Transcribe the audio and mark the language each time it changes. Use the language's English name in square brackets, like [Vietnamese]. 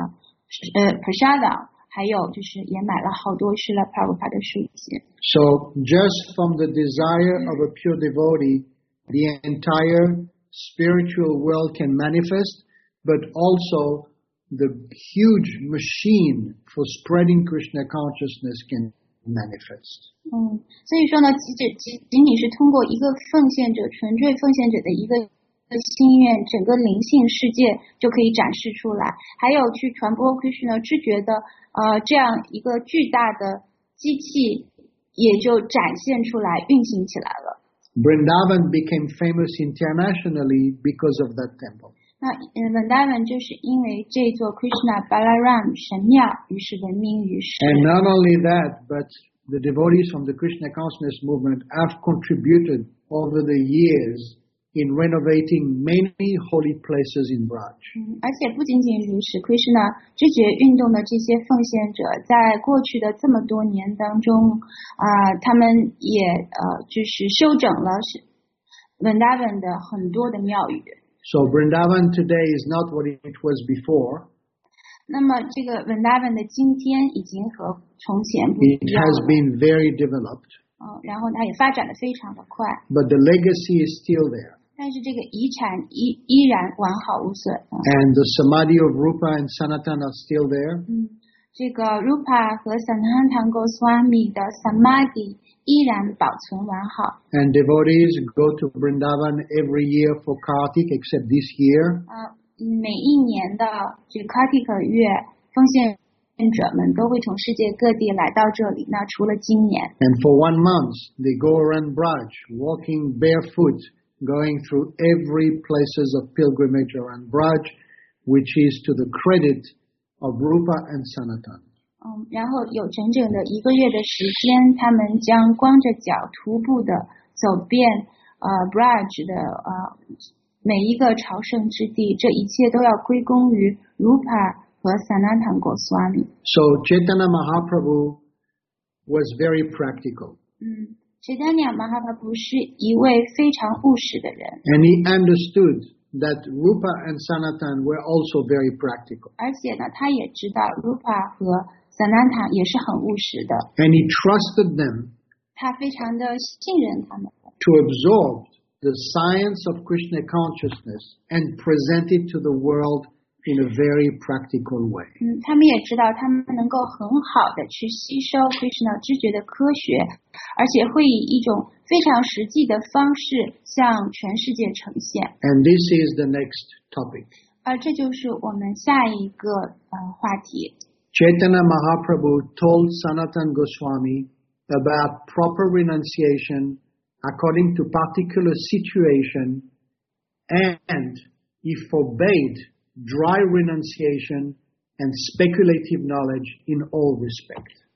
[English] So just from the desire of a pure devotee, the entire spiritual world can manifest, but also the huge machine for spreading Krishna consciousness can manifest. [Chinese] 所以说呢，仅仅是通过一个奉献者，纯粹奉献者的一个心愿，整个灵性世界就可以展示出来。还有去传播 Krishna 知觉的这样一个巨大的机器也就展现出来，运行起来了。 [English] Vrindavan became famous internationally because of that temple. [Chinese] 那 Vrindavan 就是因为这座 Krishna Balaram 神庙，于是闻名于世。 [English] And not only that, but the devotees from the Krishna Consciousness Movement have contributed over the years in renovating many holy places in Braj. [Chinese] 而且不仅仅如此 ，Krishna 知觉运动的这些奉献者，在过去的这么多年当中，他们也就是修整了是 Vrindavan 的很多的庙宇。 [English] So Vrindavan today is not what it was before. [Chinese] 那么这个 Vrindavan 的今天已经和从前不一样了。 [English] It has been very developed. [Chinese] 然后它也发展得非常的快。 [English] But the legacy is still there. [Chinese] 但是这个遗产依然完好无损。 [English] And the samadhi of Rupa and Sanatana are still there. [Chinese] 这个 Rupa 和 Sanatana Goswami 的 samadhi 依然保存完好。 [English] And devotees go to Vrindavan every year for Kartik except this year. [Chinese] 每一年的这个 Kartik 月奉献。都会从世界各地来到这里，那除了今年。 [English] And for 1 month, they go around Braj, walking barefoot, going through every places of pilgrimage around Braj, which is to the credit of Rupa and Sanatan. [Chinese] 然后有整整的一个月的时间，他们将光着脚徒步的走遍Braj 的每一个朝圣之地，这一切都要归功于 Rupa。 [English] So Chaitanya Mahaprabhu was very practical. [Chinese] Chaitanya Mahaprabhu 是一位非常务实的人。 [English] And he understood that Rupa and Sanatan were also very practical. [Chinese] 而且呢，他也知道 Rupa 和 Sanatan 也是很务实的。 [English] And he trusted them. [Chinese] 他非常的信任他们。 [English] To absorb the science of Krishna consciousness and present it to the world. In a very practical way. [Chinese] 他们也知道他们能够很好的去吸收 Krishna 知觉的科学，而且会以一种非常实际的方式向全世界呈现。 [English] And this is the next topic. [Chinese] 而这就是我们下一个话题。 [English] Chaitanya Mahaprabhu told Sanatan Goswami about proper renunciation according to particular situation, and he forbade dry renunciation and speculative knowledge in all respect.